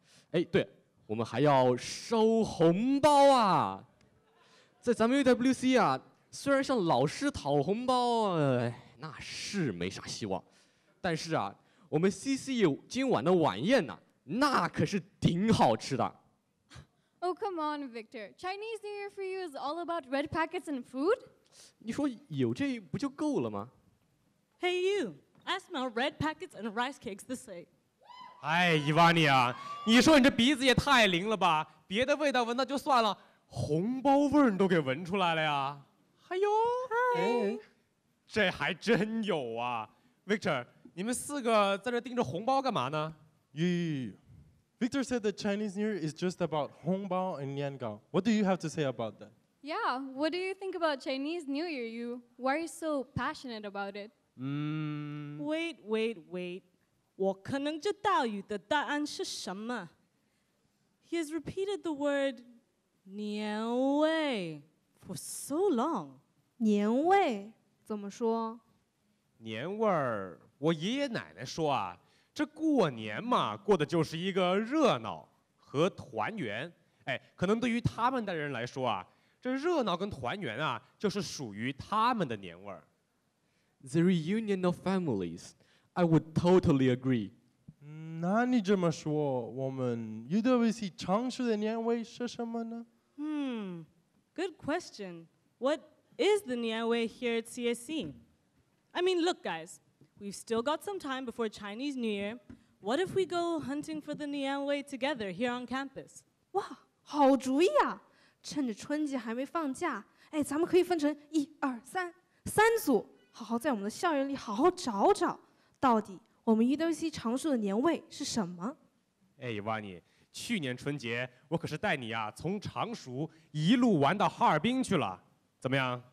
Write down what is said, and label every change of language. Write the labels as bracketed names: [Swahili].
[Chinese] 哎，对，我们还要收红包啊。在咱们 UWC 啊，虽然向老师讨红包，那是没啥希望。但是啊，我们 CC 今晚的晚宴呢、啊，那可是顶好吃的。 [English] Oh, come on, Victor. Chinese New Year for you is all about red packets and food? [Chinese] 你说有这不就够了吗 [English] ？Hey, you. I smell red packets and rice cakes the same. [Chinese] 哎，伊万尼啊，你说你这鼻子也太灵了吧？别的味道闻到就算了，红包味你都给闻出来了呀？哎呦，嗨，这还真有啊 ，Victor. 你们四个在这盯着红包干嘛呢？咦。 [English] Victor said that Chinese New Year is just about hongbao and niangao. What do you have to say about that? Yeah, what do you think about Chinese New Year, you? Why are you so passionate about it? Wait. [Chinese] 我可能知道你的答案是什么。 [English] He has repeated the word 年味 for so long. [Chinese] 年味怎么说？年味儿，我爷爷奶奶说啊。这过年嘛，过的就是一个热闹和团圆。哎，可能对于他们的人来说啊，这热闹跟团圆啊，就是属于他们的年味儿。 [English] The reunion of families, I would totally agree. [Chinese] 那你这么说，我们 UWC 常吃的年味是什么呢？ [English] Good question. What is the 年味 here at CSC? I mean, look, guys. We've still got some time before Chinese New Year. What if we go hunting for the Nian Wei together here on campus? [Chinese] 哇，好主意啊！趁着春节还没放假，哎，咱们可以分成一二三三组，好好在我们的校园里好好找找，到底我们 UWC 常熟的年味是什么？哎，瓦尼，去年春节我可是带你啊从常熟一路玩到哈尔滨去了，怎么样？